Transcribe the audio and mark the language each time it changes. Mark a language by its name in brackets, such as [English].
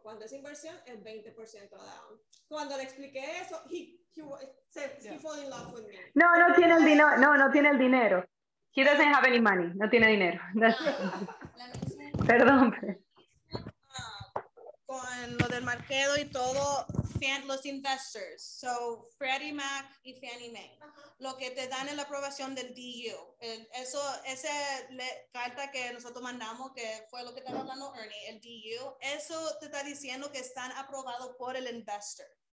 [Spanish] Cuando es inversión, es 20% down. Cuando le expliqué eso, [English] he fell in love with me. [Spanish] No, no tiene el dinero. No tiene el dinero. [English] He doesn't have any money. [Spanish] No tiene dinero. Perdón. Con lo del Marquedo y todo, los investors, so Freddie Mac y Fannie Mae. Uh-huh. lo que te dan es la aprobación del DEO. Eso, esa carta que nosotros mandamos, que fue lo que estaba hablando Ernie, el DEO, eso te está diciendo que están aprobados por el investor.